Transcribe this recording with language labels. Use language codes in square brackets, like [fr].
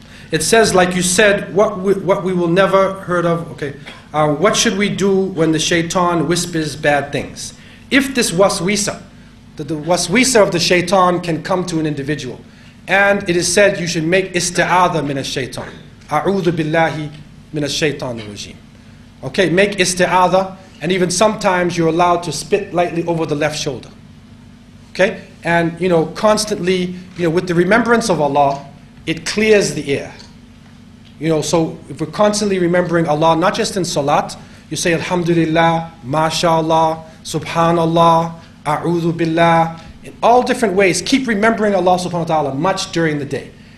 [en] It says, like you said, what we will never heard of. Okay, what should we do when the shaitan whispers bad things? If this waswisa, the waswisa of the shaitan can come to an individual, and it is said you should make ista'adha min ash-shaitan. [ar] أعوذ بالله من الشيطان الرجيم. [en] Okay, make isti'adha, and even sometimes you're allowed to spit lightly over the left shoulder. Okay, and you know, constantly, you know, with the remembrance of Allah, it clears the air. You know, so if we're constantly remembering Allah, not just in salat, you say Alhamdulillah, MashaAllah, SubhanAllah, A'udhu Billah, in all different ways, keep remembering Allah subhanahu wa ta'ala much during the day.